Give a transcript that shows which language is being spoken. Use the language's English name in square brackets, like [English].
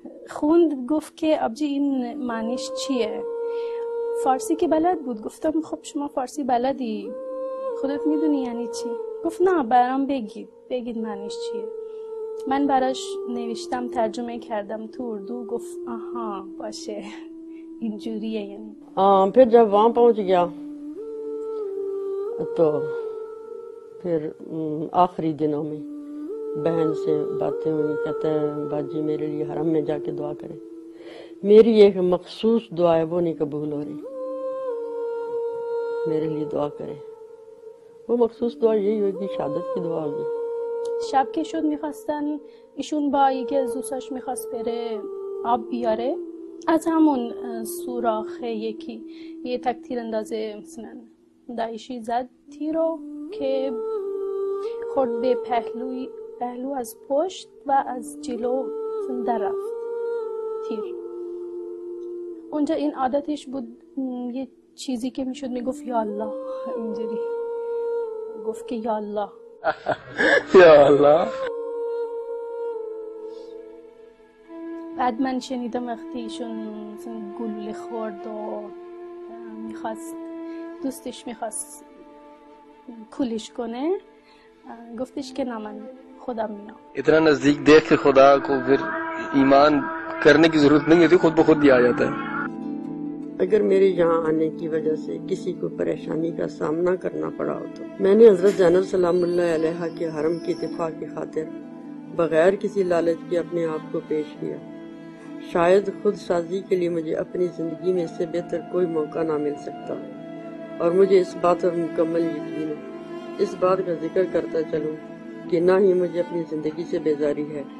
[Persian] خوند گفت که آبجی این معنیش چیه؟ فارسی که بلد بود. گفتم خب شما فارسی بلدی، خودت میدونی یعنی چی؟ گفت نه، برام بگید، بگید معنیش چیه. من براش نوشتم، ترجمه کردم تو اردو. گفت آها باشه، اینجوریه یعنی. [Urdu] پھر جب وہاں پہنچ گیا تو پھر آخری دنوں میں بہن سے باتیں ہوئی، کہتا ہے باجی میرے لیے حرم میں جا کے دعا کرے، میری ایک مخصوص دعا ہے وہ نہیں قبول ہو رہی، میرے لیے دعا کرے. وہ مخصوص دعا یہی ہوگی، شہادت کی دعا ہوگی. [Persian] شب کے شد میخواستن ایشون با یکی از دوستاش میخواست بره آب بیاره، از همون سوراخ یکی یه تک تیر اندازه مثلا دایشی زد تیرو که خورد به پهلو از پشت و از جلو در رفت تیر. اونجا این عادتش بود، یه چیزی که میشد میگفت یا الله، اینجوری گفت که یا الله یا الله. بعد من شنیدم وقتی ایشون گلوله خورد و میخواست دوستش میخواست کولش کنه، گفتش که نه من خودم میام. [Urdu] اتنا نزدیک دیکھ کے خدا کو پھر ایمان کرنے کی ضرورت نہیں ہوتی، خود بخود ہی آ جاتا ہے. اگر میرے یہاں آنے کی وجہ سے کسی کو پریشانی کا سامنا کرنا پڑا ہو تو میں نے حضرت زینب سلام اللہ علیہ کے حرم کی دفاع کی خاطر بغیر کسی لالچ کے اپنے آپ کو پیش کیا، شاید خود سازی کے لیے مجھے اپنی زندگی میں اس سے بہتر کوئی موقع نہ مل سکتا، اور مجھے اس بات پر مکمل یقین ہے، اس بات کا ذکر کرتا چلوں کہ نہ ہی مجھے اپنی زندگی سے بیزاری ہے.